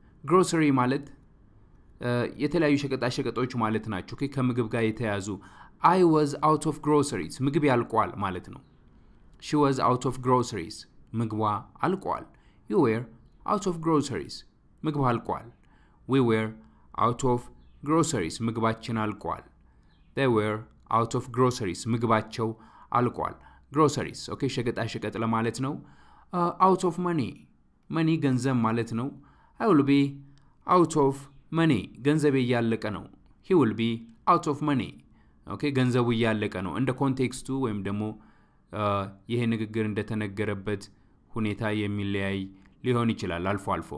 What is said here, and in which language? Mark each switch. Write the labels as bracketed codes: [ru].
[am] Grocery ማለት የተለያዩ ሸቀጣሸቀጦች ማለት ናቸው. [en] Okay? [am] ከምግብ ጋር የተያዙ. [en] I was out of groceries. [am] ምግብ ያልቋል ማለት ነው. [en] She was out of groceries. [am] ምግቧ አልቋል. [en] You were out of groceries. ምግቧ አልቋል. We were out of groceries. [am] ምግባችን አልቋል. [en] They were out of groceries. [am] ምግባቸው አልቋል. Groceries. Okay, ሸቀጣሸቀጥ ለማለት ነው. [en] Out of money. [am] Money ገንዘብ ማለት ነው. [en] I will be out of money. [am] ገንዘቤ ያለቀ ነው. [en] He will be out of money. Okay, [am] ገንዘቡ ያለቀ ነው. እንደ ኮንቴክስቱ ወይም ደግሞ ይሄ ንግግር እንደተነገረበት ሁኔታ የሚለያይ ሊሆን ይችላል አልፎ አልፎ.